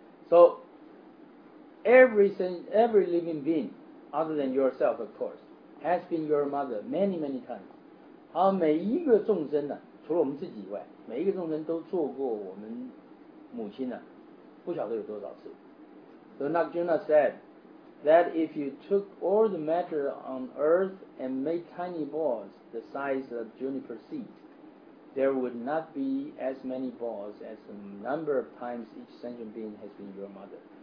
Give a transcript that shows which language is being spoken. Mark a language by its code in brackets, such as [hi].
[en] So every living being other than yourself, of course, has been your mother many, many times. [zh] 好，每一个众生呢、啊，除了我们自己以外，每一个众生都做过我们母亲呢、啊，不晓得有多少次。 [en] So Nagarjuna said that if you took all the matter on earth and made tiny balls the size of juniper seed, there would not be as many balls as the number of times each sentient being has been your mother.